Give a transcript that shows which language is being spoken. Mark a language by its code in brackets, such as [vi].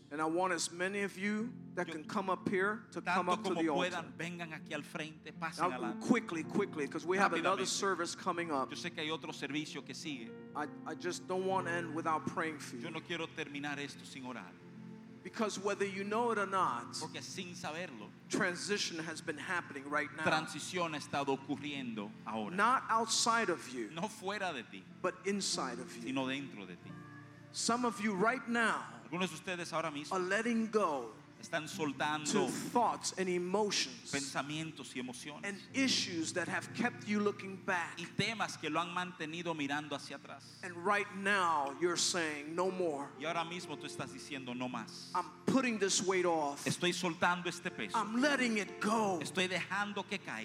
[en] And I want as many of you that can come up here to come up [es] como [en] to the altar. [es] Puedan, vengan aquí al frente, pasen now, adelante. [en] Quickly, because we have another service coming up. [es] Yo sé que hay otro servicio que sigue. [en] I just don't want to end without praying for you. [es] Yo no quiero terminar esto sin orar. [en] Because whether you know it or not, [es] porque sin saberlo, [en] transition has been happening right now. [es] Transición ha estado ocurriendo ahora. [en] Not outside of you, [es] no fuera de ti, [en] but inside of you. [es] Sino dentro de ti. [en] Some of you right now are letting go to thoughts and emotions and issues that have kept you looking back. And right now you're saying no more. I'm putting this weight off. [es] Estoy soltando este peso. [en] I'm letting it go. [es] Estoy dejando que caiga.